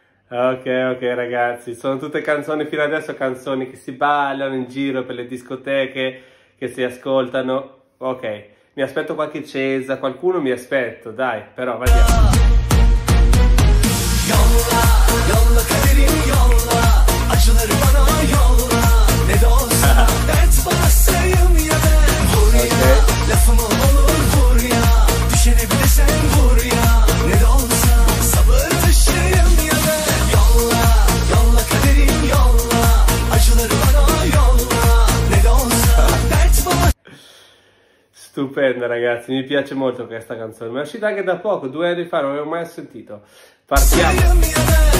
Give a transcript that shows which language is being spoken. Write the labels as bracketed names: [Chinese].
[Italian] ok ragazzi, sono tutte canzoni fino adesso, canzoni che si ballano in giro per le discoteche, che si ascoltano, ok, mi aspetto qualche Cesa, qualcuno mi aspetto, dai, però vediamo. [Turkish] Yolla, yolla kaderim yolla, acıları bana yolla, ne de olsa dert bana sevim ya ben, vur ya, okay. Lafım olur vur ya, düşeni bilesen vur ya, ne de olsa sabır taşıyım ya ben, yolla, yolla kaderim yolla, acıları bana yolla, ne de olsa dert bana... [Italian] Stupenda ragazzi, mi piace molto questa canzone, mi è uscita anche da poco, 2 anni fa, non l'avevo mai sentito. Partiamo!